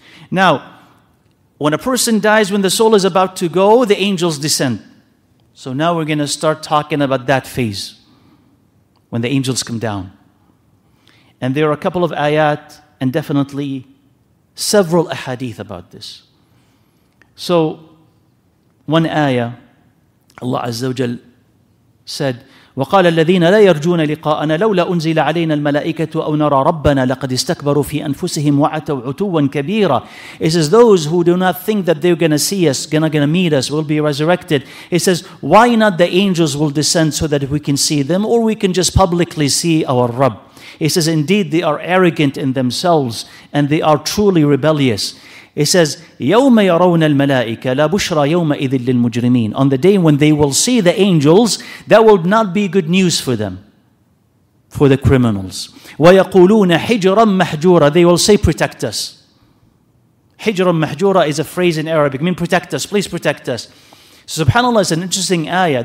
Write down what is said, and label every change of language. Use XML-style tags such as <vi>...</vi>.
<en>Now, when a person dies, when the soul is about to go, the angels descend. So now we're going to start talking about that phase, when the angels come down. And there are a couple of ayat and definitely several ahadith about this. So, one ayah, Allah Azza wa Jal said,</en> <ar>وَقَالَ الَّذِينَ لَا يَرْجُونَ لِقَاءَنَا لَوْلَا أُنْزِلَ عَلَيْنَا الْمَلَائِكَةُ أَوْ نَرَى رَبَّنَا لَقَدْ اسْتَكْبَرُوا فِي أَنفُسِهِمْ وَعَتَوْ عُتُوًا كَبِيرًا.</ar> <en>It says, those who do not think that they're going to see us, going to meet us, will be resurrected. It says, why not the angels will descend so that we can see them, or we can just publicly see our Rabb? He says, indeed, they are arrogant in themselves, and they are truly rebellious. He says,</en> <ar>يَوْمَ يَرَوْنَ الْمَلَائِكَ لَا بُشْرَى يَوْمَئِذٍ لِلْمُجْرِمِينَ.</ar> <en>On the day when they will see the angels, that will not be good news for them, for the criminals.</en> <ar>وَيَقُولُونَ حِجْرًا مَحْجُورًا.</ar> <en>They will say, protect us.</en> <ar>حِجْرًا مَحْجُورًا</ar> <en>is a phrase in Arabic. Mean protect us, please protect us. So subhanAllah, it's an interesting ayah.</en>